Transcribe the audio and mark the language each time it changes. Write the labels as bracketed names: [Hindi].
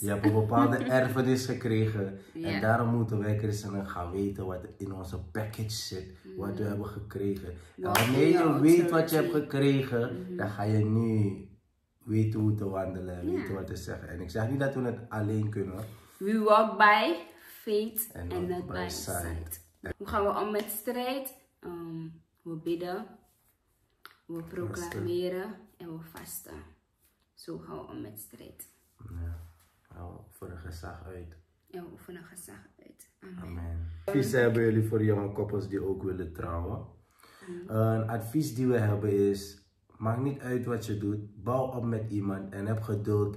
[Dutch] Je hebt een bepaalde erfenis gekregen. Yeah. En daarom moeten wij christenen gaan weten wat in onze package zit. Wat we hebben gekregen. En wanneer je weet wat je hebt gekregen, dan ga je nu weten hoe te wandelen. Weten wat te zeggen. En ik zeg niet dat we het alleen kunnen. [English] We walk by faith and not by sight. [Dutch] Hoe gaan we om met strijd? We bidden, we proclameren en we vasten. Zo gaan we om met strijd. Ja, we oefenen gezag uit. En we oefenen gezag uit. Amen. Advies hebben jullie voor jonge koppels die ook willen trouwen? Een advies die we hebben is, maakt niet uit wat je doet, bouw op met iemand en heb geduld.